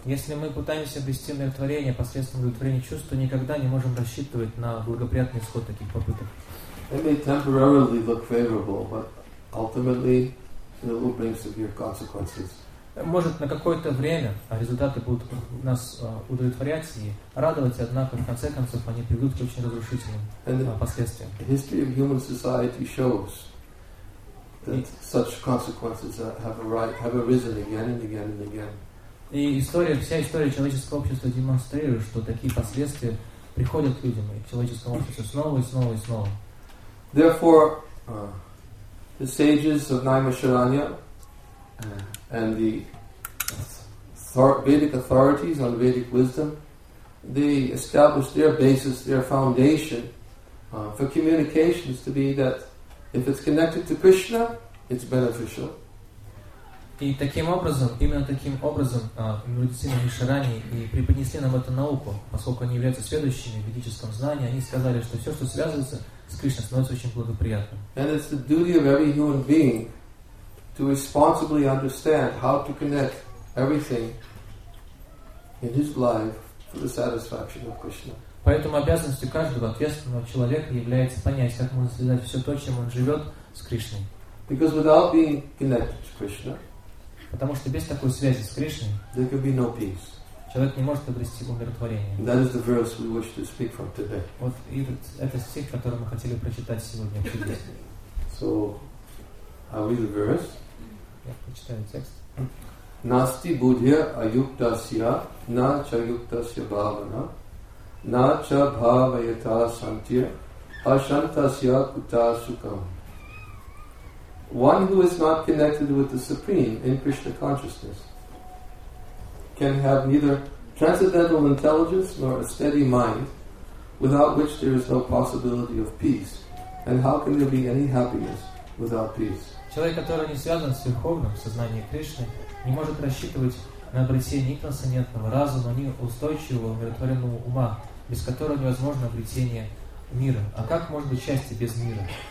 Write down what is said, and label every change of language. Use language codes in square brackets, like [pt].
[ru] Если мы пытаемся обрести удовлетворение посредством удовлетворения чувств, то никогда не можем рассчитывать на благоприятный исход таких попыток. [en] It may temporarily look favorable, but ultimately it will bring severe consequences. [ru] Может, на какое-то время результаты будут нас удовлетворять и радовать, однако, в конце концов, они приведут к очень разрушительным последствиям. [en] The history of human society shows that such consequences have arisen again and again and again. [ru] И вся история человеческого общества демонстрирует, что такие последствия приходят к людям и к человеческому обществу снова и снова и снова. [en] Therefore, the sages of Naimasharanya and the Vedic authorities on Vedic wisdom, they established their basis, their foundation for communications to be that if it's connected to Krishna, it's beneficial. [ru] И таким образом, именно таким образом, медицина Вишарани и преподнесли нам эту науку, поскольку они являются следующими в ведическом знании, они сказали, что все, что связывается с Кришной, становится очень благоприятным. [en] And it's the duty of every human being to responsibly understand how to connect everything in his life for the satisfaction of Krishna. [ru] Поэтому обязанностью каждого ответственного человека является понять, как можно связать все то, чем он живет, с Кришной. [en] Because without being connected to Krishna, [ru] потому что без такой связи с Кришной, [en] there could be no peace. [ru] Человек не может обрести умиротворение. [en] That is the verse we wish to speak from today. [ru] Вот и это стих, который мы хотели прочитать сегодня. [en] So, I'll read the verse. [ru] Я прочитаю текст. [sa] Насти будхья аюктасья на ча юктасья бхавана на ча бхавайата сантья ашантасья кута сукам. [en] One who is not connected with the Supreme in Krishna consciousness can have neither transcendental intelligence nor a steady mind, without which there is no possibility of peace. And how can there be any happiness without peace? [ru] Человек, который не связан с Верховным, в сознании Кришны, не может рассчитывать на обретение ни трансцендентного разума, ни устойчивого, умиротворенного ума, без которого невозможно обретение мира. А как может быть счастье без мира?